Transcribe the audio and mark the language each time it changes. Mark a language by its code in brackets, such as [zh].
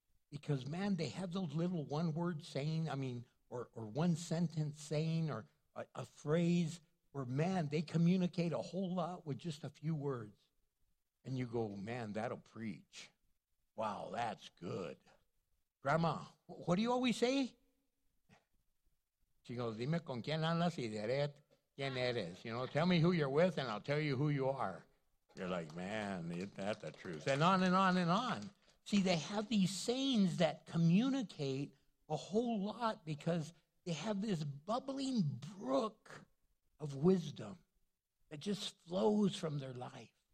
[en] Because, man, they have those little one-word saying, or one-sentence saying, or a phrase where, man, they communicate a whole lot with just a few words. And you go, man, that'll preach. Wow, that's good. Grandma, what do you always say? She goes, [es] dime con quién andas y diré quién eres. [en] You know, tell me who you're with and I'll tell you who you are. You're like, man, isn't that the truth? And on and on and on. See, they have these sayings that communicate a whole lot because they have this bubbling brook of wisdom that just flows from their life.